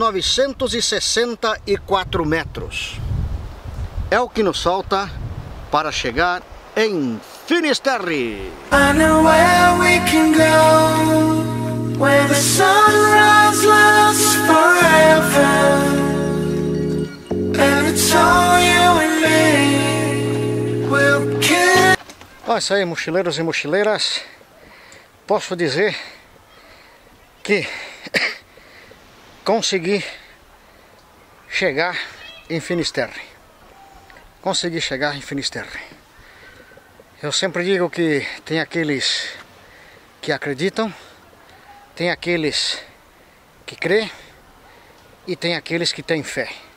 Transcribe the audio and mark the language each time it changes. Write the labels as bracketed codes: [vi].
[pt] 17.964 km. É o que nos falta para chegar em Finisterre. [en] I know where we can go, where the sunrise lasts forever. And it's all you and me. We'll keep... [pt] Ah, isso aí, mochileiros e mochileiras. Posso dizer que consegui chegar em Finisterre. Consegui chegar em Finisterre. Eu sempre digo que tem aqueles que acreditam, tem aqueles que crê e tem aqueles que têm fé.